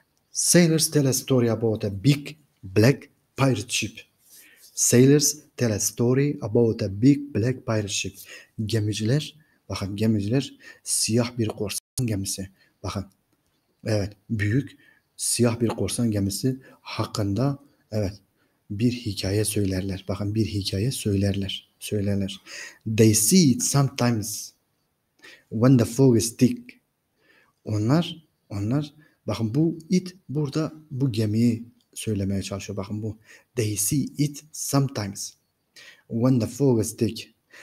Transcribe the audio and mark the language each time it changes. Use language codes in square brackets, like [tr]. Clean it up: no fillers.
[en] Sailors tell a story about a big black pirate ship. Sailors tell a story about a big black pirate ship. [tr] Gemiciler, bakın gemiciler siyah bir korsan gemisi. Bakın, evet büyük siyah bir korsan gemisi hakkında evet bir hikaye söylerler. Bakın bir hikaye söylerler. Söylerler. [en] They see it sometimes when the fog is thick. [tr] Onlar bakın bu it burada bu gemiyi söylemeye çalışıyor. Bakın bu. [en] They see it sometimes when the fog is thick.